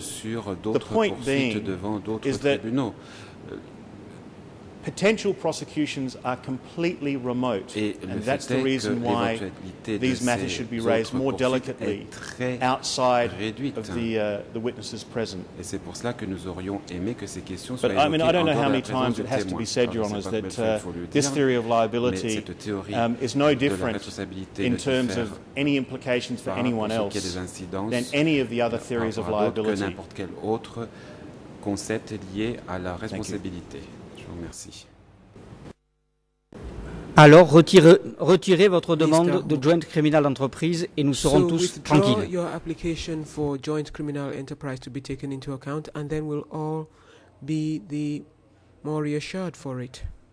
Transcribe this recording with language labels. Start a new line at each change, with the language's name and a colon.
English: The point being is that potential prosecutions are completely remote, and that's the reason why these matters should be raised more delicately outside of the witnesses present.
French: Et c'est pour cela que nous aurions aimé que ces questions soient évoquées.
English: But I mean, I don't know how many times it has to be said, Your Honours, that this theory of liability is no different in terms of any implications for anyone else than any of the other theories of liability.
French: Que n'importe quel autre concept lié à la responsabilité. Merci. Alors, retirez votre demande de joint criminal enterprise et nous serons tous tranquilles.
English: Your application for joint criminal enterprise to be taken into account and then we'll all be the more reassured for it.